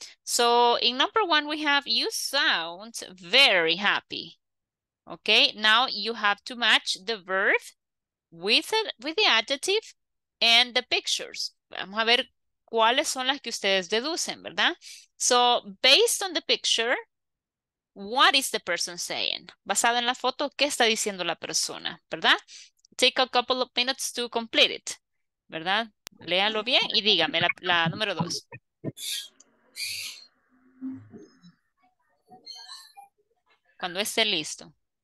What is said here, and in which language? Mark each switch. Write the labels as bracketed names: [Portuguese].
[English] So, in number one, we have you sound very happy. Okay, now you have to match the verb with the adjective and the pictures. [Spanish] Vamos a ver cuáles son las que ustedes deducen, ¿verdad? [English] So, based on the picture, what is the person saying? [Spanish] Basado en la foto, ¿qué está diciendo la persona? [English] ¿Verdad? Take a couple of minutes to complete it. ¿Verdad? [Spanish] Léalo bien y dígame la número dos. Cuando esté listo.